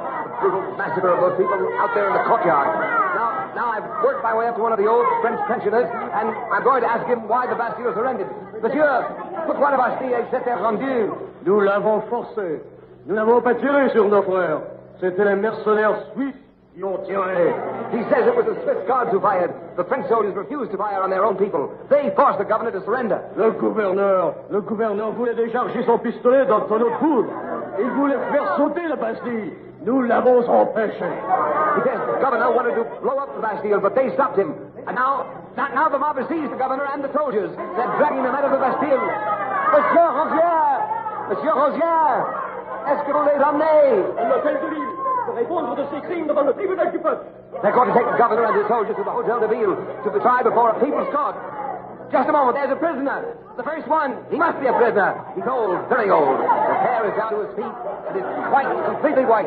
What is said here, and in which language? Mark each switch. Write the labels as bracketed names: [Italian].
[English] The brutal massacre of those people out there in the courtyard. Now I've worked my way up to one of the old French pensioners, and I'm going to ask him why the Bastille surrendered. [French] Monsieur, pourquoi la Bastille s'était rendue? Nous l'avons forcé. Nous n'avons pas tiré sur nos frères. C'était les mercenaires suisses. [English] He says it was the Swiss guards who fired. The French soldiers refused to fire on their own people. They forced the governor to surrender. [French] Le gouverneur voulait décharger son pistolet dans notre poudre. Il voulait faire sauter la Bastille. Nous l'avons empêché. [English] He says the governor wanted to blow up the Bastille, but they stopped him. And now the mob has seized the governor and the soldiers. They're dragging them out of the Bastille. [French] Monsieur Rosière, est-ce que vous les emmenez? [English] They're going to take the governor and his soldiers to the Hotel de Ville to be tried before a people's court. Just a moment, there's a prisoner. The first one, he must be a prisoner. He's old, very old. The hair is down to his feet, and it's white, completely white.